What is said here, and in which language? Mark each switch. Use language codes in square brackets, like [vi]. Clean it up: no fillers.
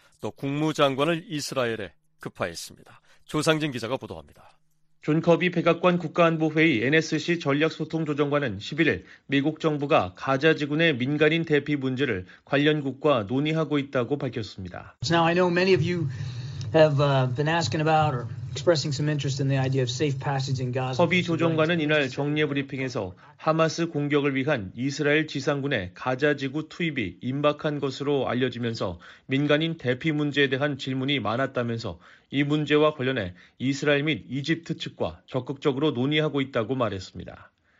[ko] 또 국무장관을 이스라엘에 급파했습니다. 조상진 기자가 보도합니다. 존 커비 백악관 국가안보회의 NSC 전략소통조정관은 11일 미국 정부가 가자지구 내 민간인 대피 문제를 관련국과 논의하고 있다고 밝혔습니다. [en] Now I know many of you have been asking about or expressing some interest in the idea of safe passage in Gaza. [ko] 커비 조정관은 이날 정례 브리핑에서 하마스 공격을 위한 이스라엘 지상군의 가자지구 투입이 임박한 것으로 알려지면서 민간인 대피 문제에 대한 질문이 많았다면서 이 문제와 관련해 이스라엘 및 이집트 측과 적극적으로 논의하고 있다고 말했습니다.